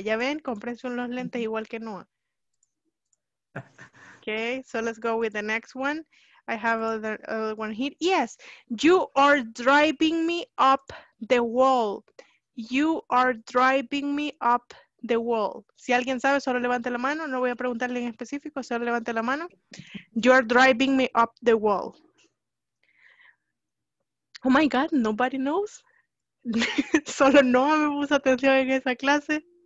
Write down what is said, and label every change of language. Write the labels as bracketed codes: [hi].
[es] Ya ven, comprense unos lentes igual que Noah. [en] Okay, so let's go with the next one. I have other one here. Yes, you are driving me up the wall. You are driving me up the wall. [es] Si alguien sabe, solo levante la mano. No voy a preguntarle en específico, solo levante la mano. [en] You are driving me up the wall. Oh my God, nobody knows. [es] Solo no me puso atención en esa clase.